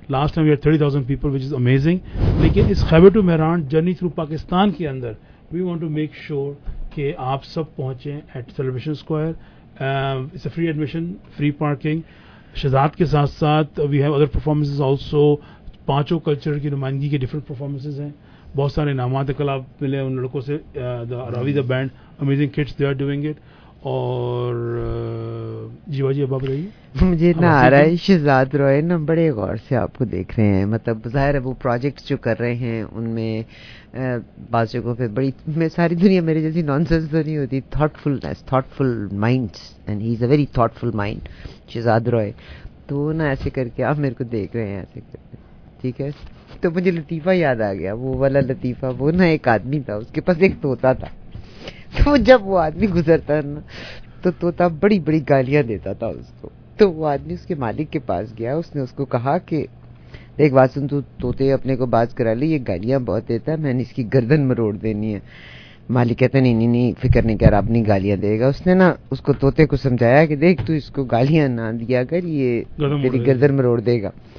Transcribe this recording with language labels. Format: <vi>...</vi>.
<en>Last time we are 30,000 people which is amazing. لیکن اس Khyber to Mehran journey through Pakistan کے اندر we want to make sure</en> <ur>کہ آپ سب پہنچیں</ur> <en>At celebration square. It's a free admission, free parking.</en> <ur>Shahzad کے ساتھ ساتھ</ur> <en>We have other performances also.</en> <ur>پانچوں culture کی نمائندگی کے ڈفرنٹ پرفارمنسز ہیں, بہت سارے انعامات کل آپ ملے ان لڑکوں سے.</ur> <en>The Ravi the band amazing kids they are doing it.</en> <ur>اور جیوا جی اب آپ رہیے. مجھے نہ آ رہا ہے شہزاد روئے نا بڑے غور سے آپ کو دیکھ رہے ہیں. مطلب ظاہر ہے وہ پروجیکٹس جو کر رہے ہیں ان میں بعض جگہوں پہ بڑی, میں ساری دنیا میرے جیسی نان سینس تو نہیں ہوتی,</ur> <en>thoughtfulness, thoughtful minds, and he is a very thoughtful mind</en> <ur>Shahzad روئے. تو نا ایسے کر کے آپ میرے کو دیکھ رہے ہیں ایسے کر کے. ٹھیک ہے, تو مجھے لطیفہ یاد آ گیا, وہ والا لطیفہ. وہ نا ایک آدمی تھا, اس کے پاس ایک طوطا تھا. تو جب وہ آدمی گزرتا نا تو طوطا بڑی بڑی گالیاں دیتا تھا اس کو. تو وہ آدمی اس کے مالک کے پاس گیا, اس نے اس کو کہا کہ دیکھ واسن, تو طوطے اپنے کو باز کرا لے, یہ گالیاں بہت دیتا ہے, میں نے اس کی گردن مروڑ دینی ہے. مالک کہتا نہیں نہیں نہیں, فکر نہیں کر, آپ نہیں گالیاں دے گا. اس نے نا اس کو طوطے کو سمجھایا کہ دیکھ تو اس کو گالیاں نہ دیا کر, یہ میری گردن مروڑ دے گا.</ur>